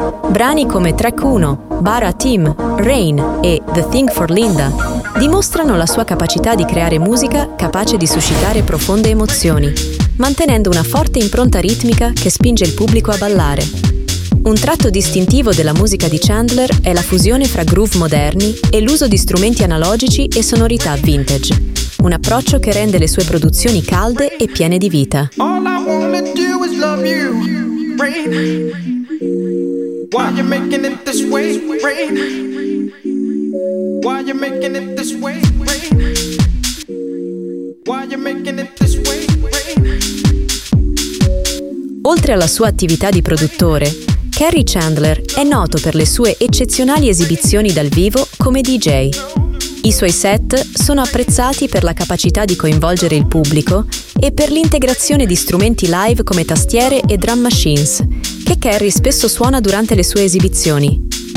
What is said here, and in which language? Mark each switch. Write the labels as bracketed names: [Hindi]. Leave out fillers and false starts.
[Italian] Brani come Track 1, Bara Team, Rain e The Thing for Linda dimostrano la sua capacità di creare musica capace di suscitare profonde emozioni, mantenendo una forte impronta ritmica che spinge il pubblico a ballare. Un tratto distintivo della musica di Chandler è la fusione fra groove moderni e l'uso di strumenti analogici e sonorità vintage. Un approccio che rende le sue produzioni calde e piene di vita. [English] All I wanna do is love you, rain. Why you making it this way, rain? Why you making it this way, rain? Why you making it this way, rain? [Italian] Oltre alla sua attività di produttore, Kerry Chandler è noto per le sue eccezionali esibizioni dal vivo come DJ. I suoi set sono apprezzati per la capacità di coinvolgere il pubblico e per l'integrazione di strumenti live come tastiere e drum machines, che Kerry spesso suona durante le sue esibizioni.